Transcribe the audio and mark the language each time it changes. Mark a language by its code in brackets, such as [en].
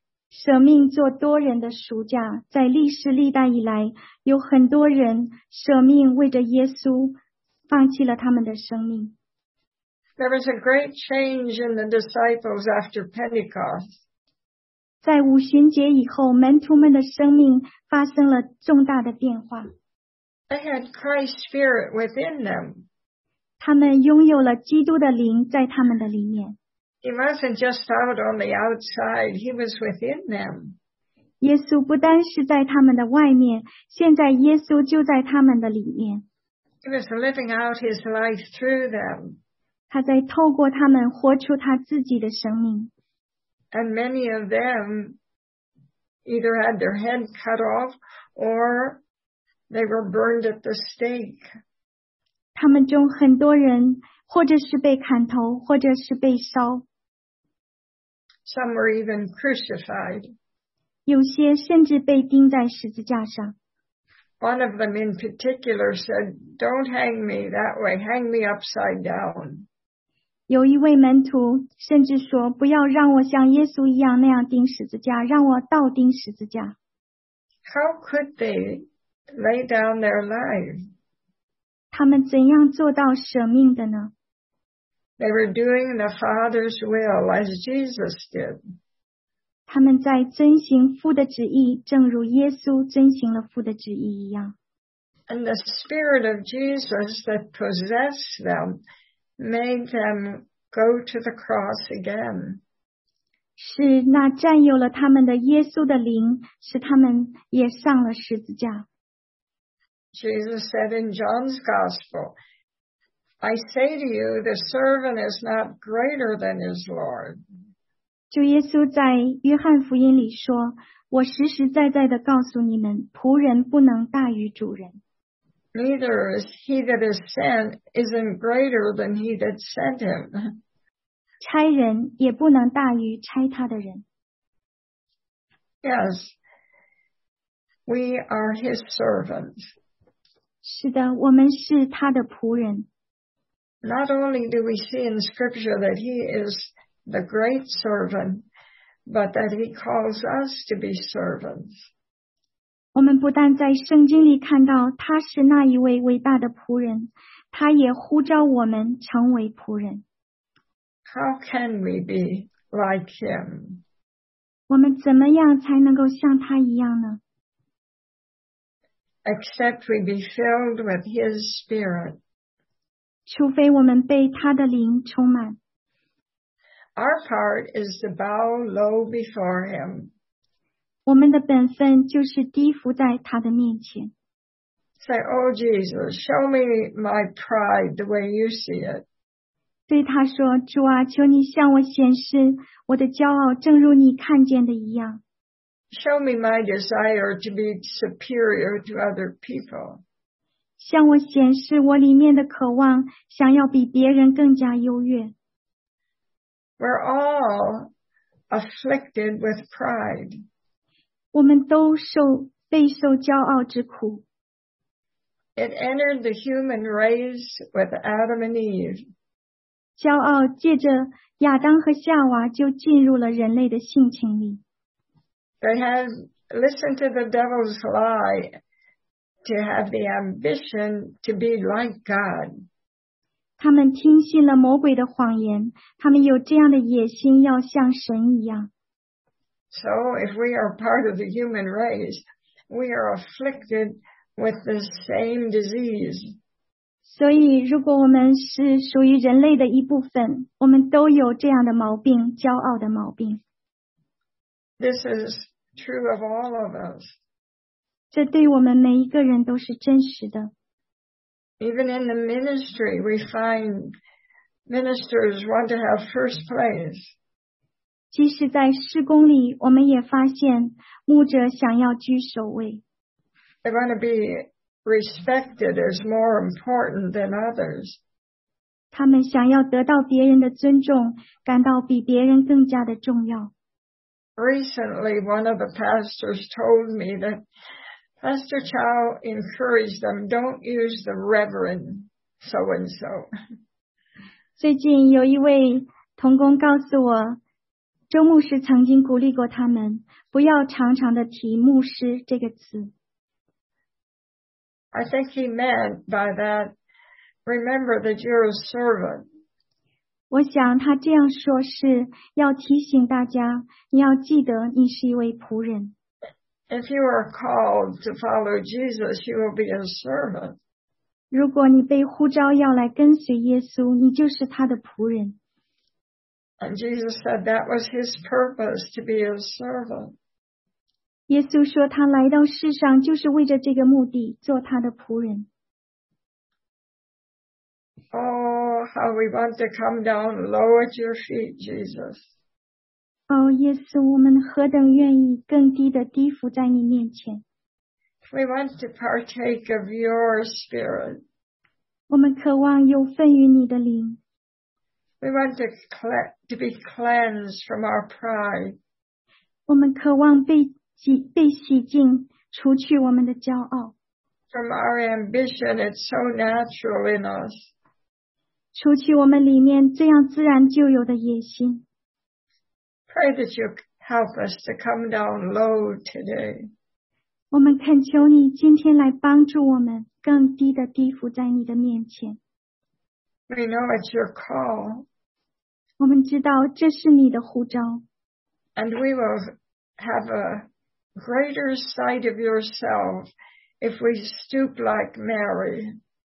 [zh] 舍命做多人的赎价，在历史历代以来，有很多人舍命为着耶稣，放弃了他们的生命。 [en] There was a great change in the disciples after Pentecost. [zh] 在五旬节以后，门徒们的生命发生了重大的变化。 [en] They had Christ's spirit within them. [zh] 他们拥有了基督的灵在他们的里面。 [en] He wasn't just out on the outside, he was within them. [zh] 耶稣不单是在他们的外面，现在耶稣就在他们的里面。 [en] He was living out his life through them. [zh] 他在透过他们活出他自己的生命。 [en] And many of them either had their head cut off or they were burned at the stake. [zh] 他们中很多人或者是被砍头，或者是被烧。 [en] Some were even crucified. [zh] 有些甚至被钉在十字架上。 [en] One of them in particular said, "Don't hang me that way. Hang me upside down." [zh] 有一位门徒甚至说，不要让我像耶稣一样那样钉十字架，让我倒钉十字架。 [en] How could they lay down their life? [zh] 他们怎样做到舍命的呢？ [en] They were doing the Father's will as Jesus did. [zh] 他们在遵行父的旨意，正如耶稣遵行了父的旨意一样。 [en] And the Spirit of Jesus that possessed them made them go to the cross again. [zh] 是那占有了他们的耶稣的灵，使他们也上了十字架。 [en] Jesus said in John's Gospel, I say to you, the servant is not greater than his Lord. [zh] 主耶稣在约翰福音里说，我实实在在地告诉你们，仆人不能大于主人。 [en] Neither is he that is sent isn't greater than he that sent him. [zh] 差人也不能大于差他的人。 [en] Yes, we are his servants. [zh] 是的，我们是他的仆人。 [en] Not only do we see in Scripture that he is the great servant, but that he calls us to be servants. [zh] 我们不但在圣经里看到他是那一位伟大的仆人，他也呼召我们成为仆人。 [en] How can we be like him? [zh] 我们怎么样才能够像他一样呢？ [en] Except we be filled with his spirit. [zh] 除非我们被他的灵充满。 [en] Our part is to bow low before him. [zh] 我们的本分就是低伏在他的面前。 [en] Say, Oh Jesus, show me my pride the way you see it. [zh] 对他说，主啊，求你向我显示我的骄傲，正如你看见的一样。 [en] Show me my desire to be superior to other people. [zh] 向我显示我里面的渴望，想要比别人更加优越。 [en] We're all afflicted with pride. [zh] 我们都备受骄傲之苦。 [en] It entered the human race with Adam and Eve. [zh] 骄傲借着亚当和夏娃就进入了人类的性情里。 [en] They had listened to the devil's lie to have the ambition to be like God. [zh] 他们听信了魔鬼的谎言，他们有这样的野心，要像神一样。 [en] So if we are part of the human race, we are afflicted with the same disease. [zh] 所以如果我们是属于人类的一部分，我们都有这样的毛病，骄傲的毛病。 [en] This is true of all of us. [zh] 这对我们每一个人都是真实的。 [en] Even in the ministry, we find ministers want to have first place. [zh] 即使在事工里，我们也发现牧者想要居首位。 [en] They want to be respected as more important than others. [zh] 他们想要得到别人的尊重，感到比别人更加的重要。 [en] Recently, one of the pastors told me that Pastor Chow encouraged them, don't use the reverend so-and-so. [zh] 最近有一位同工告诉我，周牧师曾经鼓励过他们，不要常常的提牧师这个词。 [en] I think he meant by that, remember that you're a servant. [zh] 我想他这样说是要提醒大家，你要记得你是一位仆人。 [en] If you are called to follow Jesus, you will be a servant. [zh] 如果你被呼召要来跟随耶稣，你就是他的仆人。 [en] And Jesus said that was his purpose, to be a servant. [zh] 耶稣说他来到世上就是为着这个目的，做他的仆人。 [en] Oh, how we want to come down low at your feet, Jesus. [zh] 哦，耶稣，我们何等愿意更低的低伏在你面前。 [en] We want to partake of your spirit. [zh] 我们渴望有份于你的灵。 [en] We want to be cleansed from our pride. [zh] 我们渴望被洗净，除去我们的骄傲。 [en] From our ambition, it's so natural in us. [zh] 除去我们里面这样自然就有的野心。 [en] Pray that you help us to come down low today. [zh] 我们恳求你今天来帮助我们更低的低伏在你的面前。 [en] We know it's your call. [zh] 我们知道这是你的呼召。 [en] And we will have a greater sight of yourself if we stoop like Mary.